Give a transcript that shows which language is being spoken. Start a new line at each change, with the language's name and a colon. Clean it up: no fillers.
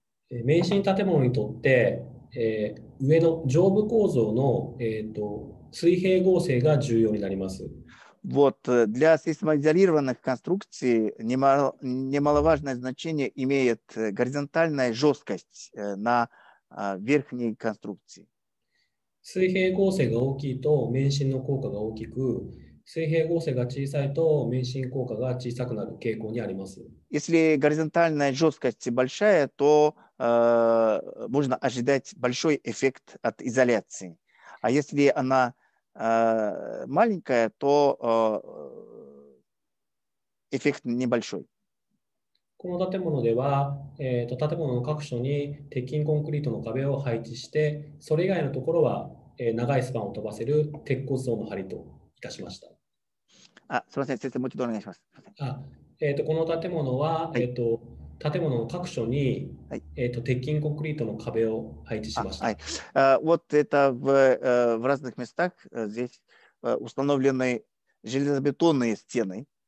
Japanese: 免震建物にとって上の上部構造の、水平合成が重要になります。
Russian: Вот, для сейсмоизолированных конструкций немаловажное значение имеет горизонтальная жесткость на верхней конструкции.
Japanese: 水平合成が大きいと免震の効果が大きく、水平合成が小さいと免震効果が小さくなる傾向にあります。
Russian: Если горизонтальная жесткость большая, то можно ожидать большой эффект от изоляции. А если она маленькая, то эффект небольшой.
Japanese: この建物では、建物の各所に鉄筋コンクリートの壁を配置して、それ以外のところは、長いスパンを飛ばせる鉄骨層の張りといたしました。あ、すみません、先生、もう一度お願いします。あ、この建物は、はい建物の各所に、はい鉄筋コンクリートの壁を配置しました。はい。
Russian: Вот это в разных местах здесь установлены железобетонные стены。